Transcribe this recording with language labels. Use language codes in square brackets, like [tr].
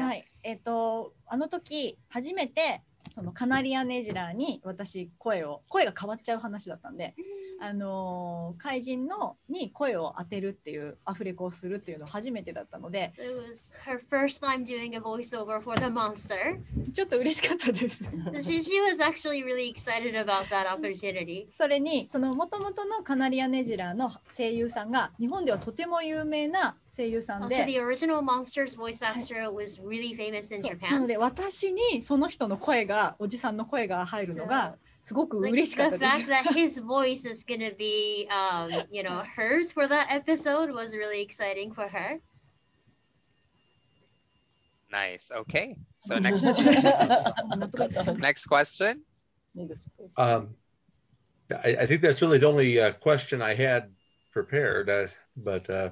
[ja] はい、あの時初めてそのカナリアネジラに私声が変わっちゃう話だったんで、怪人のに声を当てるっていうアフレコをするっていうの初めてだったので。 [en] It was her first time doing a voiceover for the monster. [ja] ちょっと嬉しかったです。 [en] She was actually really excited about that opportunity. [ja] それにその元々のカナリアネジラの声優さんが日本ではとても有名な声優さんで、 [en] so、the original monster's voice actor was really famous in Japan. [ja] なので私にその人の声がおじさんの声が入るのがすごく嬉しかったです。 [en] Like、the fact that his voice is gonna be, you know, hers for that episode was really exciting for her. Nice. Okay. So next. next question. I think that's really the only question I had prepared, but.